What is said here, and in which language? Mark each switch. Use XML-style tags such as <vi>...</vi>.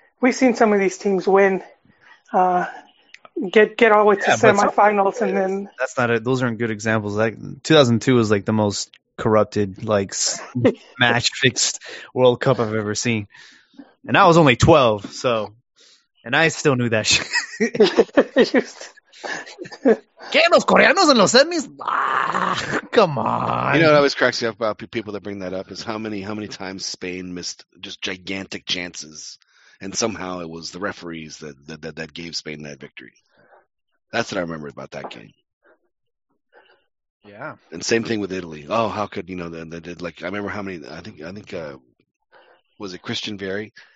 <en>We've seen some of these teams win. Get all the way to semifinals, and then that's not it. Those aren't good examples. Like 2002 was like the most corrupted, like match fixed World Cup I've ever seen, and I was only 12. So, and I still knew that shit.</en> <es>¿Qué, los coreanos en los semis?</es> <en>Ah, come on! You know what always cracks me up about people that bring that up is how many times Spain missed just gigantic chances. And somehow it was the referees that gave Spain that victory. That's what I remember about that game. Yeah. And same thing with Italy. Oh, how could, you know, they did, like, I remember how many, I think, was it Christian Vieri?</en>